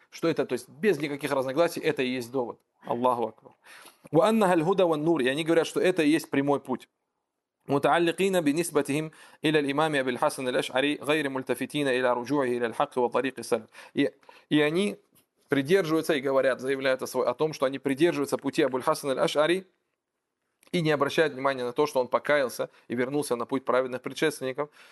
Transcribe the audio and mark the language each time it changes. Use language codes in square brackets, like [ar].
[ru] Что это, то есть без никаких разногласий, это и есть довод. Аллаху акбар. [ar] Ва анна халь худа ван нур. [ru] И они говорят, что это и есть прямой путь. [ar] متعلقين بنسبتهم إلى الإمام أبي الحسن الأشعري غير ملتفتين إلى رجوعه إلى الحق وطريق السلف. [ru] И они придерживаются и говорят, заявляют о том, что они придерживаются пути Абуль-Хасан аль-Ашари, и не обращают внимания на то, что он покаялся и вернулся на путь праведных предшественников.